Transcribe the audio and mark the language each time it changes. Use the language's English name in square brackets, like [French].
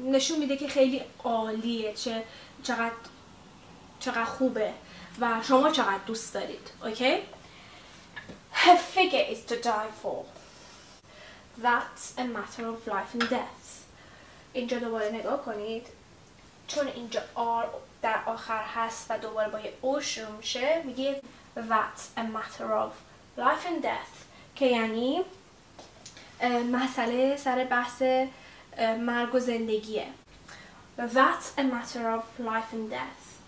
[Persian] نشون میده که خیلی عالیه چقدر خوبه. و شما چقدر دوست دارید. [English] Okay? Her figure is to die for. That's a matter of life and death. [Persian] اینجا دوباره نگاه کنید. چون اینجا R در آخر هست و دوباره با یه O شروع میشه. میگه [English] That's a matter of life and death. [Persian] که یعنی مسئله سر بحث مرگ و زندگیه. [English] That's a matter of life and death.